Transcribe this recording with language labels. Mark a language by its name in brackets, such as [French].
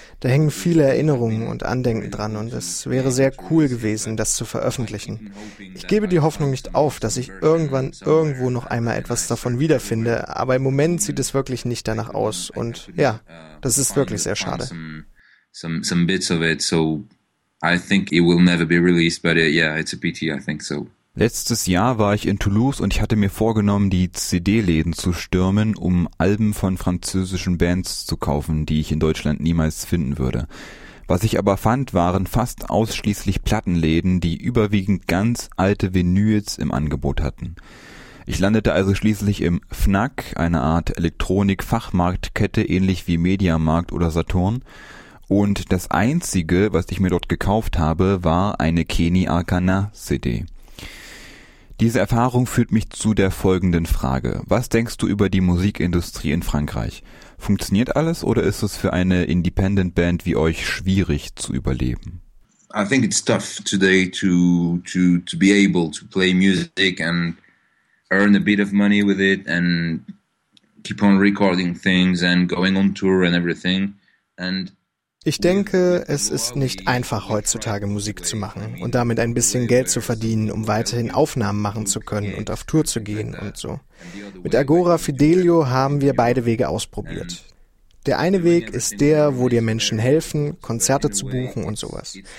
[German] Da hängen viele Erinnerungen und Andenken dran und es wäre sehr cool gewesen, das zu veröffentlichen. Ich gebe die Hoffnung nicht auf, dass ich irgendwann irgendwo noch einmal etwas davon wiederfinde, aber im Moment sieht es wirklich nicht danach aus und ja, das ist wirklich sehr schade. [English] Some bits of it, so I think it will never be released, but yeah, it's a pity, I think so. [German] Letztes Jahr war ich in Toulouse und ich hatte mir vorgenommen, die CD-Läden zu stürmen, um Alben von französischen Bands zu kaufen, die ich in Deutschland niemals finden würde. Was ich aber fand, waren fast ausschließlich Plattenläden, die überwiegend ganz alte Vinyls im Angebot hatten. Ich landete also schließlich im Fnac, eine Art Elektronik-Fachmarktkette, ähnlich wie Mediamarkt oder Saturn. Und das Einzige, was ich mir dort gekauft habe, war eine Kenny Arcana CD. Diese Erfahrung führt mich zu der folgenden Frage. Was denkst du über die Musikindustrie in Frankreich? Funktioniert alles oder ist es für eine Independent Band wie euch schwierig zu überleben? [English] I think it's tough today to be able to play music and earn a bit of money with it and keep on recording things and going on tour and everything. And [German] ich denke, es ist nicht einfach, heutzutage Musik zu machen und damit ein bisschen Geld zu verdienen, um weiterhin Aufnahmen machen zu können und auf Tour zu gehen und so. Mit Agora Fidelio haben wir beide Wege ausprobiert. Der eine Weg ist der, wo dir Menschen helfen, Konzerte zu buchen und sowas.